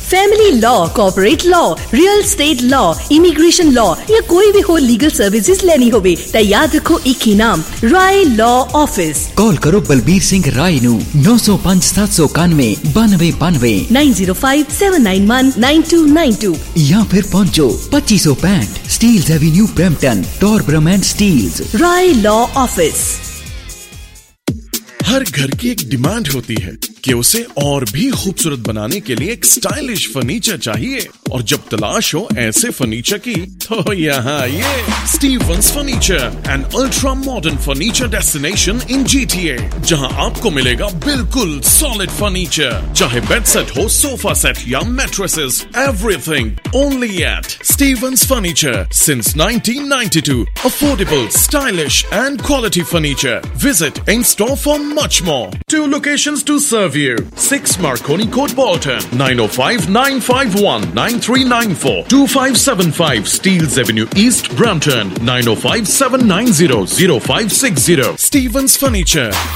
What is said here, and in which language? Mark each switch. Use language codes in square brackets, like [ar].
[pa] Family law, cooperate law, real estate law, immigration law ਜਾਂ ਕੋਈ ਵੀ ਹੋਰ ਲੀਗਲ ਸਰਵਿਸਿਜ਼ ਲੈਣੀ ਹੋਵੇ ਤਾਂ ਯਾਦ ਰੱਖੋ ਇੱਕ ਹੀ ਨਾਮ, ਰਾਏ ਲਾਅ ਆਫਿਸ। ਕਾਲ ਕਰੋ ਬਲਬੀਰ ਸਿੰਘ ਰਾਏ ਨੂੰ 905-791-9992, 905-791-9292 ਜਾਂ ਫਿਰ ਪਹੁੰਚੋ 2565 ਸਟੀਲਜ਼ ਐਵੀਨਿਊ, ਬ੍ਰੈਂਪਟਨ, ਟੌਰ ਬ੍ਰਮੈਂਡ ਸਟੀਲਜ਼, [hi] राय लॉ ऑफिस। हर घर की एक डिमांड होती है कि उसे और भी खूबसूरत बनाने के लिए एक स्टाइलिश फर्नीचर चाहिए, और जब तलाश हो ऐसे फर्नीचर की तो यहाँ ये Stevens furniture, [en] an ultra modern furniture destination in [hi] GTA, जहाँ आपको मिलेगा बिल्कुल सॉलिड फर्नीचर, चाहे बेड सेट हो, सोफा सेट या mattresses, [en] everything only at Stevens furniture since [hi] 1992। [en] Affordable, stylish and quality furniture. Visit in store for much more. Two locations to serve you, 6 Marconi Court Balter, 905-951-9394, 2575 Steeles Avenue East Brampton, 905-790-0560, Stevens Furniture।